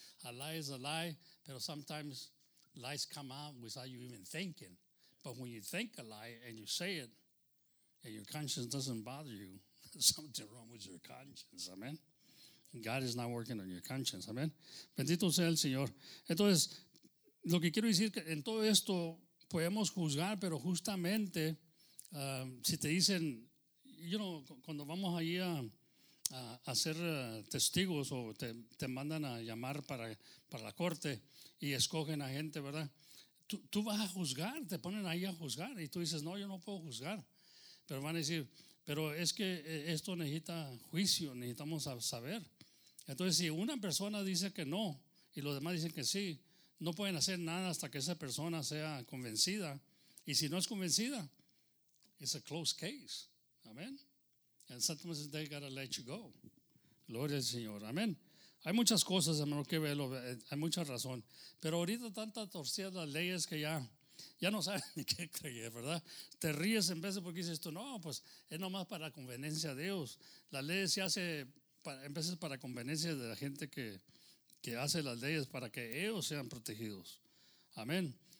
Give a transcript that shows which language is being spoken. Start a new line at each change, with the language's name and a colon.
English: A lie is a lie, pero sometimes lies come out without you even thinking. But when you think a lie and you say it, and your conscience doesn't bother you, something wrong with your conscience, amen? God is not working on your conscience, amen?
Spanish: Bendito sea el Señor. Entonces, lo que quiero decir, que en todo esto podemos juzgar, pero justamente, si te dicen, you know, cuando vamos allí a ser testigos o te mandan a llamar para la corte y escogen a gente, ¿verdad? Tú vas a juzgar, te ponen ahí a juzgar y tú dices, no, yo no puedo juzgar. Pero van a decir, pero es que esto necesita juicio, necesitamos saber. Entonces, si una persona dice que no y los demás dicen que sí, no pueden hacer nada hasta que esa persona sea convencida. Y si no es convencida,
English: it's a closed case.
Spanish: Amén.
English: And sometimes they gotta let you go.
Spanish: Gloria al Señor. Amén. Hay muchas cosas, hermano, que verlo. Hay mucha razón. Pero ahorita tanta torcida las leyes que ya no saben ni qué creer, ¿verdad? Te ríes en vez de porque dices tú, no, pues es nomás para conveniencia de Dios. Las leyes se hacen en vez de para conveniencia de la gente que hace las leyes para que ellos sean protegidos. Amén.